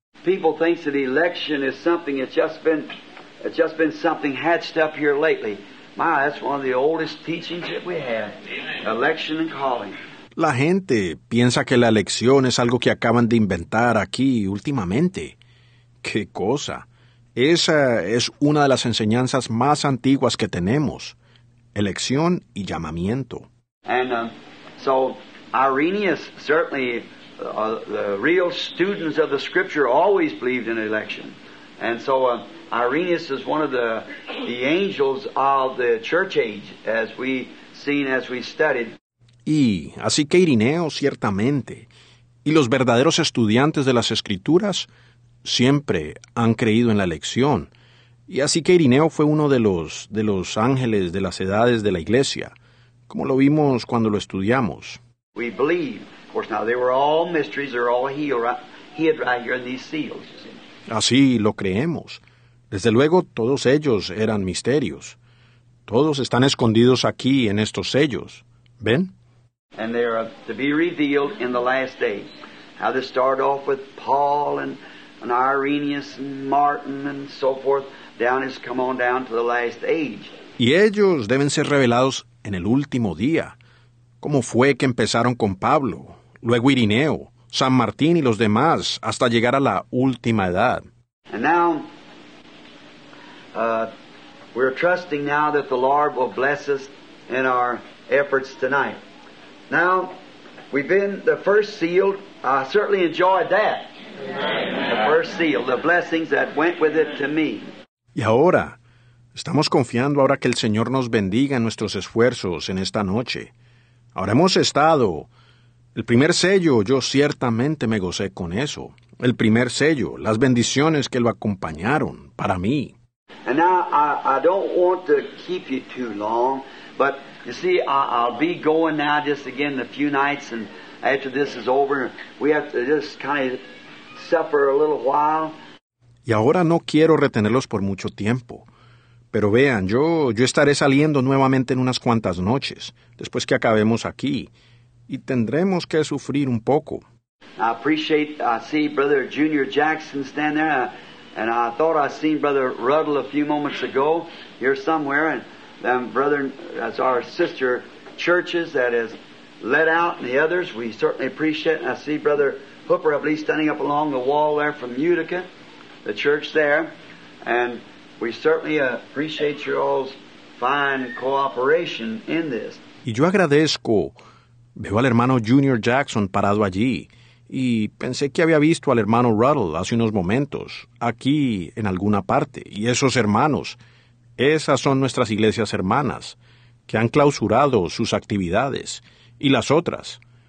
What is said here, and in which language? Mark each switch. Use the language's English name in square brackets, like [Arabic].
[English] People think that election is something that's just been something hatched up here lately. My, that's one of the oldest teachings that we have, election and calling. [Spanish] La gente piensa que la elección es algo que acaban de inventar aquí últimamente. ¡Qué cosa! Esa es una de las enseñanzas más antiguas que tenemos. Elección y llamamiento. [English] And so, Irenaeus, certainly, the real students of the Scripture always believed in election. And so, Irenaeus is one of the angels of the church age, as we studied. [Spanish] Y así que Ireneo, ciertamente, Y los verdaderos estudiantes de las Escrituras siempre han creído en la lección. Y así que Irineo fue uno de los ángeles de las edades de la iglesia, como lo vimos cuando lo estudiamos. [English] We believe. Of course, now they were all mysteries, they were all healed right here in these seals. [Spanish] Así lo creemos. Desde luego, todos ellos eran misterios. Todos están escondidos aquí en estos sellos. ¿Ven? [English] And they are to be revealed in the last day. Now this started off with Paul and Irenaeus and Martin and so forth. Down has come on down to the last age. [Spanish] Y ellos deben ser revelados en el último día. ¿Cómo fue que empezaron con Pablo, luego Irineo, San Martín y los demás, hasta llegar a la última edad? [English] And now, we're trusting now that the Lord will bless us in our efforts tonight. Now, we've been the first seal. I certainly enjoyed that. Amen. The first seal, the blessings that went with it to me. [Spanish] Y ahora, estamos confiando ahora que el Señor nos bendiga en nuestros esfuerzos en esta noche. Ahora hemos estado, el primer sello, yo ciertamente me gocé con eso. El primer sello, las bendiciones que lo acompañaron para mí. [English] And now, I don't want to keep you too long, but you see, I'll be going now just again a few nights, and after this is over, we have to just kind of suffer a little while. [Spanish] Y ahora no quiero retenerlos por mucho tiempo. Pero vean, yo estaré saliendo nuevamente en unas cuantas noches, después que acabemos aquí, y tendremos que sufrir un poco. [English] I appreciate, I see Brother Junior Jackson stand there, and I thought I seen Brother Ruddle a few moments ago here somewhere, and then Brother, that's our sister churches that has let out, and the others, we certainly appreciate. And I see Brother Hooper, I believe, standing up along the wall there from Utica, the church there, and we certainly appreciate your all's fine cooperation in this. [Spanish] Y yo agradezco, veo al hermano Junior Jackson parado allí, y pensé que había visto al hermano Ruddle hace unos momentos, aquí en alguna parte, y esos hermanos, esas son nuestras iglesias hermanas, que han clausurado sus actividades, y las otras.